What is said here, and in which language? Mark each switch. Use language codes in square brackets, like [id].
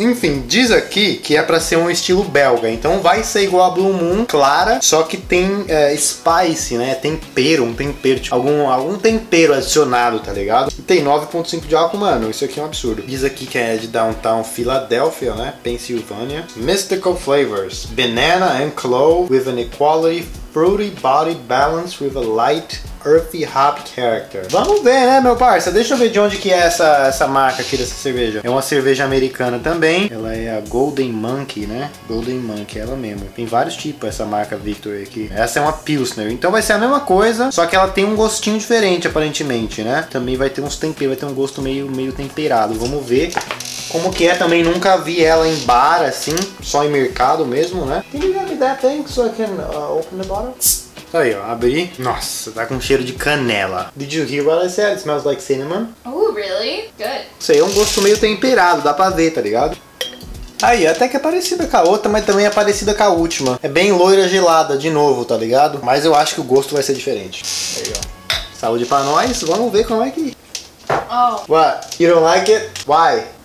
[pt] Enfim, diz aqui que é pra ser um estilo belga. Então vai ser igual a Blue Moon, clara. Só que tem spice, né? Tempero, um tempero. Tipo, algum tempero adicionado, tá ligado? E tem 9,5% de álcool, mano. Isso aqui é um absurdo. Diz aqui que é de Downtown Philadelphia, né? [en] Pennsylvania. Mystical flavors. Banana and clove with an equality... Fruity body balance with a light, earthy hop character. [pt] Vamos ver, né, meu parça? Deixa eu ver de onde que é essa marca aqui dessa cerveja. É uma cerveja americana também. Ela é a Golden Monkey, né? Golden Monkey, ela mesmo. Tem vários tipos essa marca Victory aqui. Essa é uma Pilsner. Então vai ser a mesma coisa, só que ela tem um gostinho diferente, aparentemente, né? Também vai ter uns temperos, vai ter um gosto meio temperado. Vamos ver. Como que é também, nunca vi ela em bar assim, só em mercado mesmo, né? [en] Can you give me that thing so I can open the bottle? [pt] Aí, ó, abri. Nossa, tá com cheiro de canela. [en] Did you hear what I said? It smells like cinnamon. Oh, really? Good. [pt] Isso aí é um gosto meio temperado, dá pra ver, tá ligado? Aí, até que é parecida com a outra, mas também é parecida com a última. É bem loira gelada, de novo, tá ligado? Mas eu acho que o gosto vai ser diferente. Aí, ó. Saúde pra nós, vamos ver como é que... Oh. [en] What? You don't like it? Why?